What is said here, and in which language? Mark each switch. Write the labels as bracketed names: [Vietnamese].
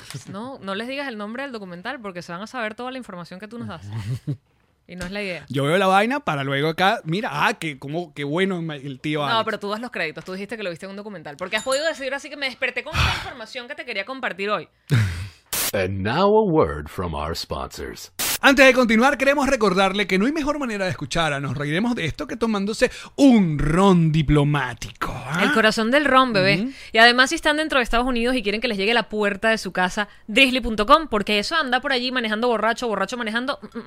[Spanish] No, no les digas el nombre del documental porque se van a saber toda la información que tú nos das. Y no es la idea. Yo veo la vaina para luego acá, mira, ah, que como qué bueno el tío Alex. No, pero tú das los créditos, tú dijiste que lo viste en un documental. Porque has podido decir así que me desperté con esta información que te quería compartir hoy. [English] And now a word from our sponsors. [Spanish] Antes de continuar, queremos recordarle que no hay mejor manera de escuchar a Nos Reiremos de Esto que tomándose un ron diplomático. ¿Eh? El corazón del ron, bebé. Mm-hmm. Y además, si están dentro de Estados Unidos y quieren que les llegue la puerta de su casa, drizzly.com, porque eso anda por allí manejando borracho, borracho manejando.